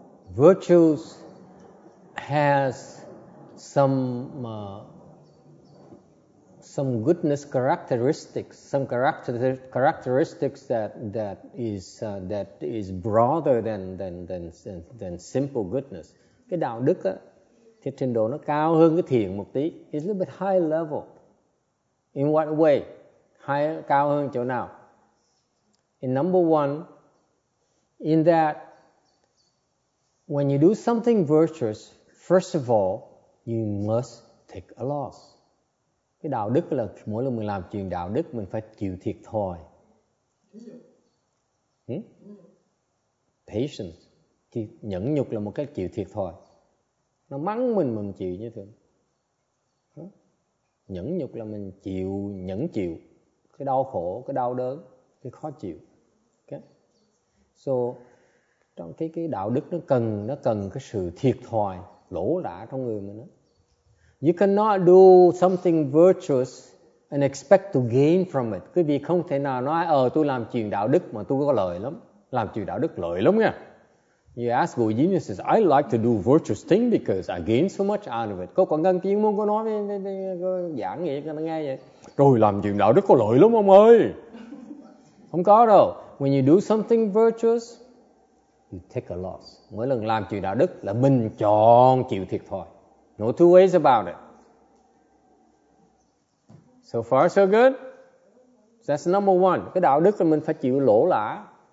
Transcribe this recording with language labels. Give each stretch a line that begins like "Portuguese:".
English: Virtues has some goodness characteristics, some characteristics that is broader than simple goodness.
Vietnamese: Cái đạo đức á, thì trình độ nó cao hơn cái thiện một tí.
English: It's a little bit high level. In what way?
Vietnamese: Cao hơn chỗ nào?
English: In number one, in that when you do something virtuous, first of all, you must take a loss.
Vietnamese: Cái đạo đức là mỗi lần mình làm chuyện đạo đức mình phải chịu thiệt thòi. Patience. Thì nhẫn nhục là một cái chịu thiệt thòi. Nó mắng mình chịu như thế. Nhẫn nhục là mình chịu, nhẫn chịu. Cái đau khổ, cái đau đớn, cái khó chịu. Okay. So trong cái đạo đức nó cần cái sự thiệt thòi lỗ lã trong người mình đó.
English: You cannot do something virtuous and expect to gain from it.
Vietnamese: Quý vị không thể nào nói tôi làm chuyện đạo đức mà tôi có lợi lắm. Làm chuyện đạo đức lợi lắm nha.
English: You ask what genius says, I like to do virtuous thing because I gain so much out of it.
Vietnamese: Có còn ngân kiến muốn có nói với giảng nghĩa cho nó nghe vậy. Rồi làm chuyện đạo đức có lợi lắm ông ơi. Không có đâu.
English: When you do something virtuous, you take a loss.
Vietnamese: Mỗi lần làm chuyện đạo đức là mình chọn chịu thiệt thòi.
English: No two ways about it. So far so good. That's number one.
Vietnamese: Cái đạo đức là mình phải chịu lỗ lã.